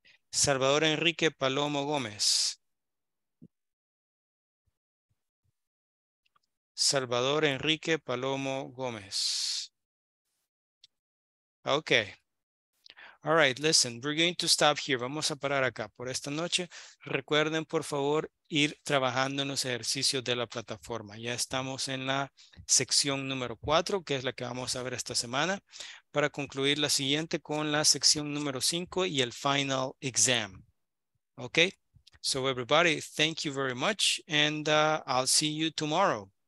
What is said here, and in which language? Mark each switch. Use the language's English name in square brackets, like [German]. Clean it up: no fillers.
[Spanish] Salvador Enrique Palomo Gómez. Salvador Enrique Palomo Gómez. Okay. [English] All right, listen, we're going to stop here. [Spanish] Vamos a parar acá por esta noche. Recuerden, por favor, ir trabajando en los ejercicios de la plataforma. Ya estamos en la sección número 4, que es la que vamos a ver esta semana, para concluir la siguiente con la sección número 5 y el final exam. [English] Okay, so everybody, thank you very much, and I'll see you tomorrow.